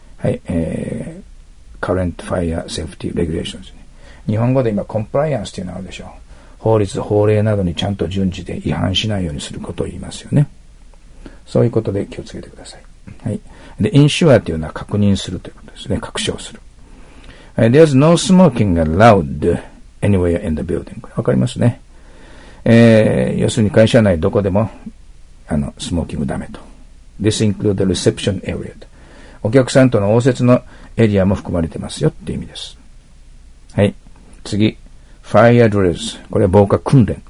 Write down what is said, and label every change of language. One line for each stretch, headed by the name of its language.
Japanese: はい、
English: current fire safety regulations、
Japanese: ね、日本語で今 compliance というのがあるでしょう。法律、法令などにちゃんと準じて違反しないようにすることを言いますよね。そういうことで気をつけてください。はい。で、ensure というのは確認するということですね。確証する。
English: There's no smoking allowed anywhere in the building。
Japanese: わかりますね。要するに会社内どこでもスモーキングダメと。
English: This includes the reception area。
Japanese: お客さんとの応接のエリアも含まれてますよっていう意味です。はい。次、 Fire Drills。これは防火訓練。